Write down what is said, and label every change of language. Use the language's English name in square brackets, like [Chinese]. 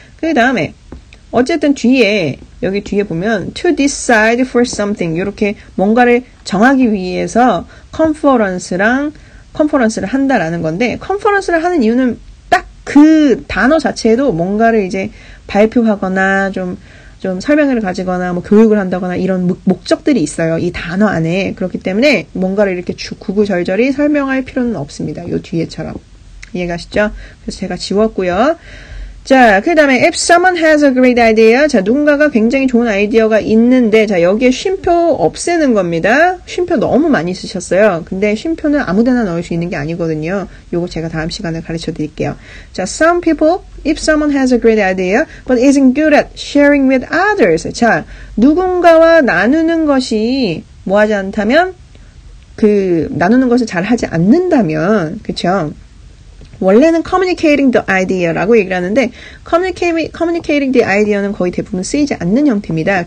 [Korean] 그 다음에 어쨌든 뒤에 여기 뒤에 보면 [English] to decide for something [Korean] 이렇게 뭔가를 정하기 위해서 컨퍼런스를 한다라는 건데 컨퍼런스를 하는 이유는 딱 그 단어 자체에도 뭔가를 이제 발표하거나 좀 설명회를 가지거나 뭐 교육을 한다거나 이런 목적들이 있어요. 이 단어 안에. 그렇기 때문에 뭔가를 이렇게 구구절절히 설명할 필요는 없습니다. 요 뒤에처럼. 이해가시죠? 그래서 제가 지웠고요. 자, 그 다음에 [English] If someone has a great idea. [Korean] 자, 누군가가 굉장히 좋은 아이디어가 있는데 자, 여기에 쉼표 없애는 겁니다. 쉼표 너무 많이 쓰셨어요. 근데 쉼표는 아무데나 넣을 수 있는 게 아니거든요. 요거 제가 다음 시간에 가르쳐 드릴게요. [English] 자, some people If someone has a great idea, but isn't good at sharing with others. [Korean] 자, 누군가와 나누는 것이 뭐하지 않다면, 나누는 것을 잘 하지 않는다면, 그쵸? 원래는 [English] communicating the idea [Korean] 라고 얘기를 하는데, communicating the idea는 거의 대부분 쓰이지 않는 형태입니다.